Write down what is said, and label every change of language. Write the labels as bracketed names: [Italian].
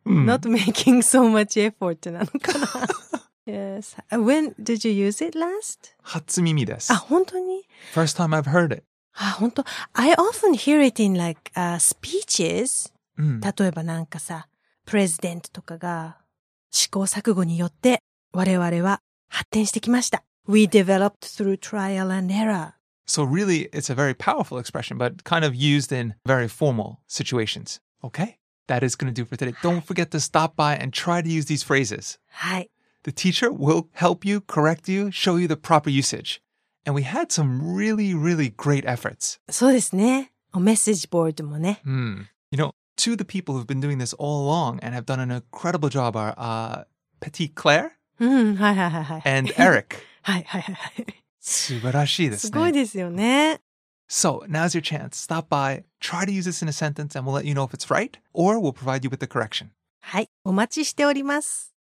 [English] Not making so much effort [Japanese] なのかな。 [English] Yes. When did you use it last? [Japanese] 初耳です。あ、本当に? [English] First time I've heard it. [Japanese] あ、本当。 [English] I often hear it in like, speeches. [Japanese] 例えばなんかさ、プレゼントとかが、試行錯誤によって我々は発展してきました。 [English] We developed through trial and error. So really, it's a very powerful expression, but kind of used in very formal situations. Okay? That is going to do for today. Don't forget to stop by and try to use these phrases. Hi. The teacher will help you, correct you, show you the proper usage. And we had some really, really great efforts. [Japanese] そうですね。お message board もね。 [English] You know, two of the people who've been doing this all along and have done an incredible job are Petite Claire and Eric. [Japanese] はい。素晴らしいですね。すごいですよね。 [English] So, now's your chance. Stop by, try to use this in a sentence, and we'll let you know if it's right, or we'll provide you with the correction. [Japanese] はい、お待ちしております。